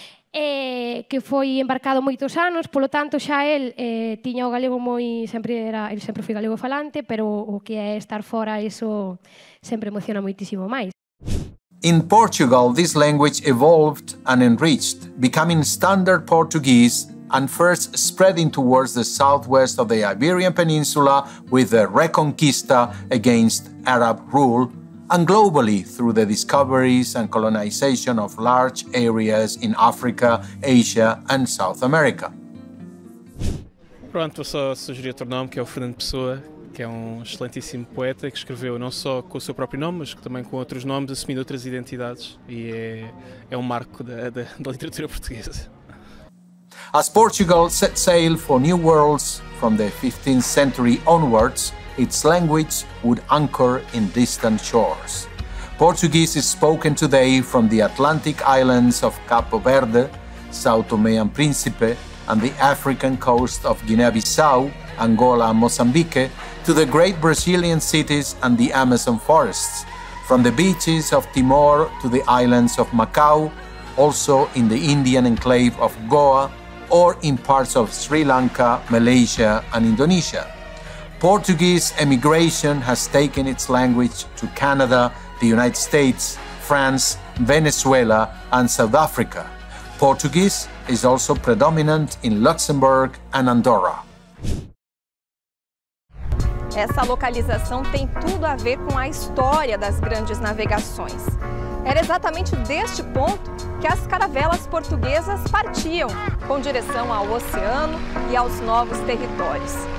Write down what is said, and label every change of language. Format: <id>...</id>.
<gl>Que foi embarcado moitos anos, polo tanto xa el tiña o galego moi sempre foi galego falante, pero o que é estar fora eso sempre emociona moitísimo máis.</gl> <en>In Portugal, this language evolved and enriched, becoming standard Portuguese and first spreading towards the southwest of the Iberian Peninsula with the Reconquista against Arab rule, and globally through the discoveries and colonization of large areas in Africa, Asia, and South America.</en> <pt>Pronto, eu só sugeri outro nome, que é o Fernando Pessoa, que é excelentíssimo poeta, que escreveu não só com o seu próprio nome, mas também com outros nomes, assumindo outras identidades, e é marco da literatura portuguesa.</pt> <en>As Portugal set sail for new worlds from the 15th century onwards, its language would anchor in distant shores. Portuguese is spoken today from the Atlantic islands of Cabo Verde, São Tomé and Príncipe, and the African coast of Guinea-Bissau, Angola and Mozambique, to the great Brazilian cities and the Amazon forests, from the beaches of Timor to the islands of Macau, also in the Indian enclave of Goa, or in parts of Sri Lanka, Malaysia, and Indonesia. Portuguese emigration has taken its language to Canada, the United States, France, Venezuela, and South Africa. Portuguese is also predominant in Luxembourg and Andorra.</en> <pt>Essa localização tem tudo a ver com a história das grandes navegações. Era exatamente deste ponto que as caravelas portuguesas partiam, com direção ao oceano e aos novos territórios.</pt>